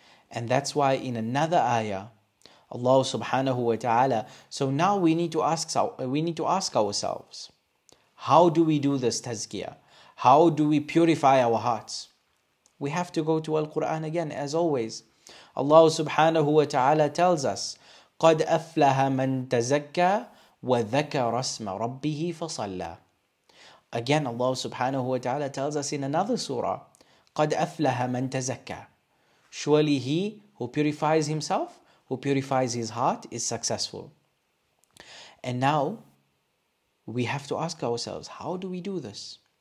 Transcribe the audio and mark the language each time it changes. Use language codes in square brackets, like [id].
[en] And that's why in another ayah, Allah subhanahu wa ta'ala, so now we need to ask ourselves, how do we do this tazkiyah? How do we purify our hearts? We have to go to Al-Quran again, as always. Allah subhanahu wa ta'ala tells us, [ar] قَدْ أَفْلَهَ مَنْ تَزَكَّى وَذَكَرَ اسْمَ رَبِّهِ فَصَلَّى. [en] Again, Allah subhanahu wa ta'ala tells us in another surah, [ar] قَدْ أَفْلَهَ مَنْ تَزَكَّى, [en] surely he who purifies himself, who purifies his heart, is successful. And now, we have to ask ourselves, how do we do this?